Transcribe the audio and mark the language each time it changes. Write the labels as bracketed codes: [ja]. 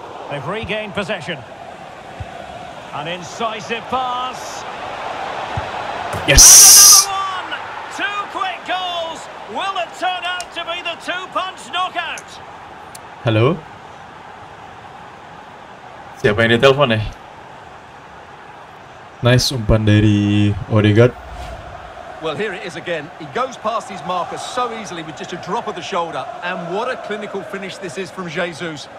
[en] They've regained possession. An incisive pass. Yes! One, two quick goals! Will it turn out to be the two-punch knockout? Hello? [id] Siapa yang ditelepon ya? Nice umpan dari Odegaard. [en] Well, here it is again. He goes past his marker so easily with just a drop of the shoulder. And what a clinical finish this is from Jesus.